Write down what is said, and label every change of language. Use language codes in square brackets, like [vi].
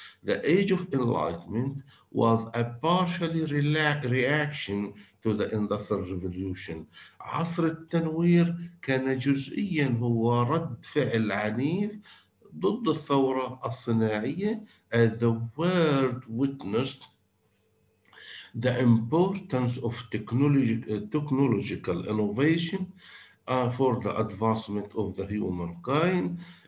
[en] The Age of Enlightenment was a partially reaction to the Industrial Revolution. [ar] عصر التنوير كان جزئيا هو رد فعل عنيف ضد الثورة الصناعية. [en] As the world witnessed the importance of technological innovation for the advancement of the humankind.